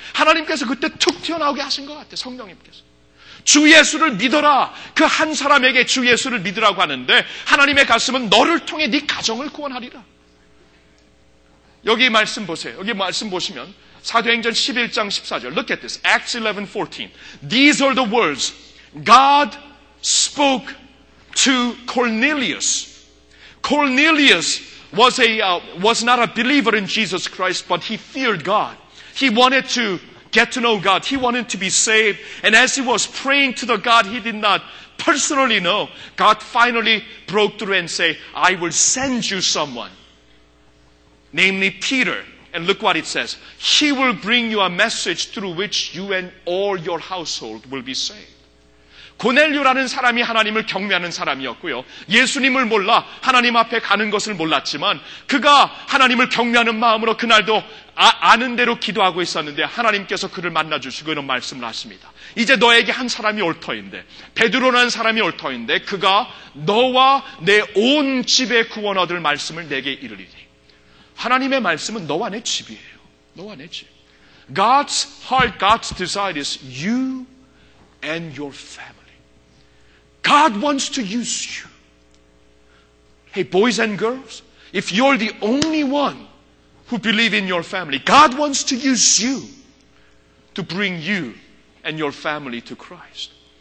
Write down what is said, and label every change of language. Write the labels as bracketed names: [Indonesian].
[Korean] 하나님께서 그때 툭 튀어나오게 하신 것 같아요. 성령님께서. 주 예수를 믿어라. 그 한 사람에게 주 예수를 믿으라고 하는데 하나님의 가슴은 너를 통해 네 가정을 구원하리라. 여기 말씀 보세요. 여기 말씀 보시면 사도행전 11장 14절. [English] Look at this. Acts 11:14. These are the words God spoke to Cornelius. Cornelius was not a believer in Jesus Christ, but he feared God. He wanted to get to know God. He wanted to be saved. And as he was praying to the God he did not personally know, God finally broke through and said, I will send you someone, namely Peter. And look what it says. He will bring you a message through which you and all your household will be saved. [Korean] 고넬류라는 사람이 하나님을 경외하는 사람이었고요. 예수님을 몰라 하나님 앞에 가는 것을 몰랐지만 그가 하나님을 경외하는 마음으로 그날도 아는 대로 기도하고 있었는데 하나님께서 그를 만나주시고 이런 말씀을 하십니다. 이제 너에게 한 사람이 올 터인데 베드로라는 사람이 올 터인데 그가 너와 내 온 집에 구원 얻을 말씀을 내게 이르리니. 하나님의 말씀은 너와 내 집이에요. 너와 내 집. [English] God's heart, God's desire is you and your family. God wants to use you. Hey, boys and girls, if you're the only one who believe in your family, God wants to use you to bring you and your family to Christ.